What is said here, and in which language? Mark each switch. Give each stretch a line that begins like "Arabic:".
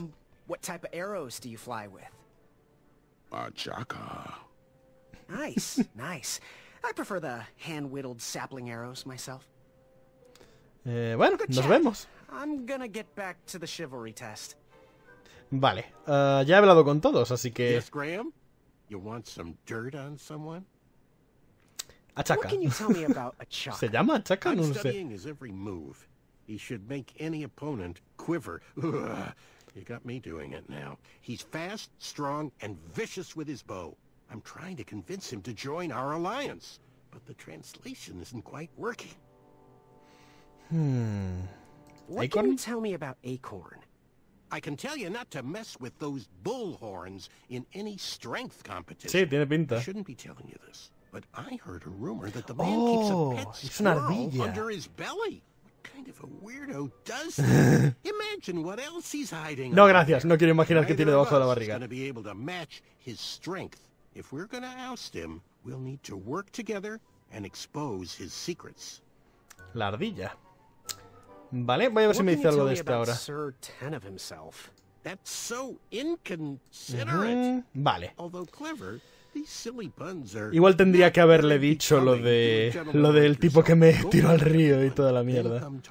English: So, what type of arrows do you fly with? A chaka. Nice, nice. I prefer the hand-whittled sapling arrows myself.
Spanish: Bueno, nos vemos.
English: I'm gonna get back to the chivalry test.
Spanish: Vale, ya he hablado con todos, así que.
English: Yes, Graham. You want some dirt on someone? Achaka. What can you tell me about Achaka?
Spanish: Se llama Achaka, no lo sé.
English: I'm studying his every move. He should make any opponent quiver. You got me doing it now. He's fast, strong, and vicious with his bow. I'm trying to convince him to join our alliance, but the translation isn't quite working. What Acorn? Can you tell me about Acorn? I can tell you not to mess with those bull horns in any strength competition.
Spanish: Sí, tiene pinta.
English: I shouldn't be telling you this, but I heard a rumor that the man keeps a pet squirrel under his belly. What kind of a weirdo does that? Imagine what else he's hiding.
Spanish: No, gracias. No quiero imaginar qué tiene debajo de la barriga.
English: He's going to be able to match his strength. If we're going to oust him, we'll need to work together and expose his secrets.
Spanish: La ardilla. Vale, voy a ver si me dice algo de esta ahora.
English: Sir Ten of himself. That's so inconsiderate.
Spanish: Vale.
English: Although clever, these silly puns are.
Spanish: Igual tendría que haberle dicho lo del tipo que me tiró al río y toda la mierda.